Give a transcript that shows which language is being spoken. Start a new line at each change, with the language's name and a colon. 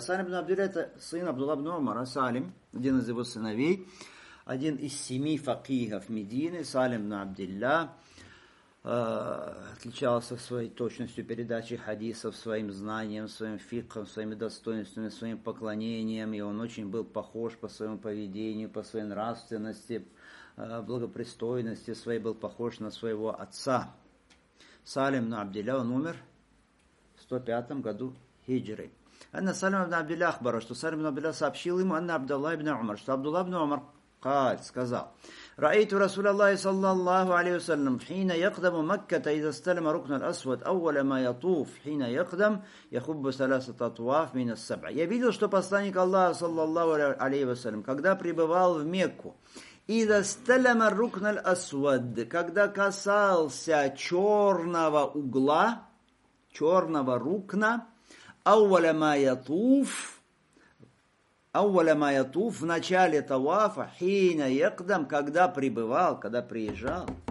Russian: Салим ибн Абдилля это сын Абдулла ибн Умара. Салим, один из его сыновей, один из семи факихов Медины, Салим ибн Абдилля, отличался своей точностью передачи хадисов, своим знанием, своим фикхом, своими достоинствами, своим поклонением, и он очень был похож по своему поведению, по своей нравственности, благопристойности своей, был похож на своего отца. Салим ибн Абдилля, он умер в 105 году хиджры.
Arabic: Анна Салим ибн Абдилля ахбара,
Russian: что Салим ибн Абдилля сообщил ему,
Arabic: Анна Абдулла ибн Умар,
Russian: что Абдулла ибн Умар сказал,
Arabic: رأيت رسول الله صلى الله عليه وسلم حين يقدم مكة إذا استلم ركن الأسود أول ما يطوف حين يقدم يخب ثلاثة طواف من السبع.
Russian: Я видел, что посланник Аллаха
Arabic: صلى الله عليه وسلم,
Russian: когда пребывал в Мекку,
Arabic: إذا استلم ركن الأسود,
Russian: когда касался черного угла, черного рукна,
Arabic: أول ما يطوف,
Russian: в начале тавафа, хина якдам, когда прибывал, когда приезжал.